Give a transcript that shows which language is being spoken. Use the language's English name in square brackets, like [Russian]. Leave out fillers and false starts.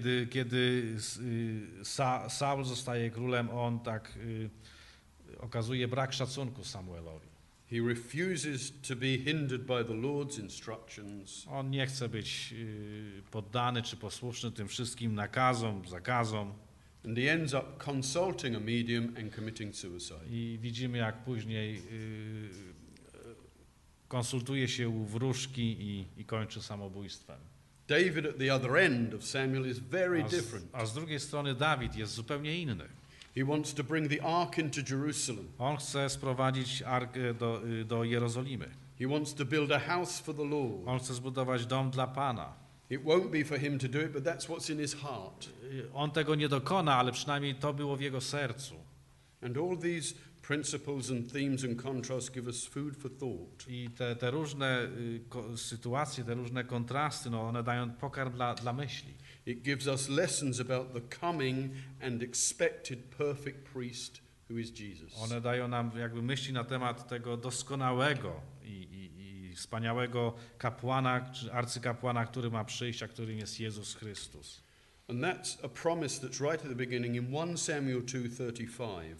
[Polish] Kiedy Saul zostaje królem, on tak okazuje brak szacunku Samuelowi. [English] He refuses to be hindered by the Lord's instructions. [Polish] On nie chce być poddany czy posłuszny tym wszystkim nakazom, zakazom. [English] And he ends up consulting a medium and committing suicide. [Polish] I widzimy, jak później konsultuje się u wróżki i kończy samobójstwem. [English] David at the other end of Samuel is very different. [Polish] A z drugiej strony Dawid jest zupełnie inny. [English] He wants to bring the ark into Jerusalem. [Polish] On chce sprowadzić ark do Jerozolimy. [English] He wants to build a house for the Lord. [Polish] On chce zbudować dom dla Pana. [English] It won't be for him to do it, but that's what's in his heart. [Polish] On tego nie dokona, ale przynajmniej to było w jego sercu. [English] And all these principles and themes and contrasts give us food for thought. [Polish] I te różne sytuacje, te różne kontrasty, no one dają pokarm dla myśli. [English] It gives us lessons about the coming and expected perfect priest who is Jesus. [Polish] One dają nam jakby myśli na temat tego doskonałego i wspaniałego kapłana, czy arcykapłana, który ma przyjść, a którym jest Jezus Chrystus. [English] And that's a promise that's right at the beginning in 1 Samuel 2:35.